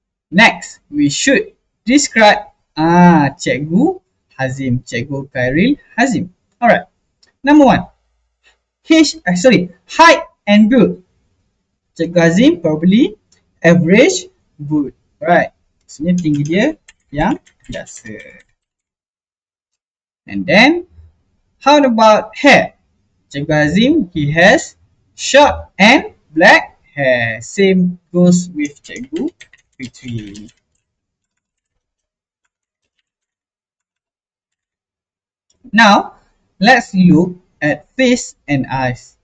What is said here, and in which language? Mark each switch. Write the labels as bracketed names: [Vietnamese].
[English] Next, we should describe Cikgu Hazim. Cikgu Khairil Hazim. Alright. Number one. Height and build. Cikgu Hazim probably average good, right? [Malay] Maksudnya tinggi dia yang biasa. [English] And then, how about hair? Cikgu Hazim, he has short and black hair. Same goes with Cikgu Fitri. Now, let's look at face and eyes.